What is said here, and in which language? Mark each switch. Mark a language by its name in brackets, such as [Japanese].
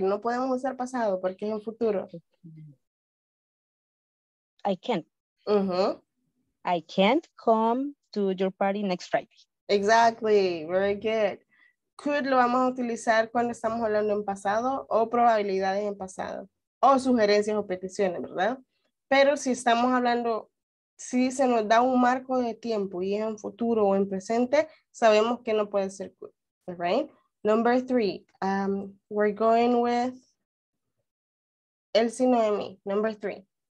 [Spanish] No podemos usar pasado porque es en futuro. [English] I can't. Uh-huh. I can't come to your party next Friday. Exactly. Very good. [Spanish] Could lo vamos a utilizar cuando estamos hablando en pasado o probabilidades en pasado o sugerencias o peticiones, ¿verdad? Pero si estamos hablando, si se nos da un marco de tiempo y es en futuro o en presente, sabemos que no puede ser good, right? [English] Number three, we're going with Elsie Noemi, number three.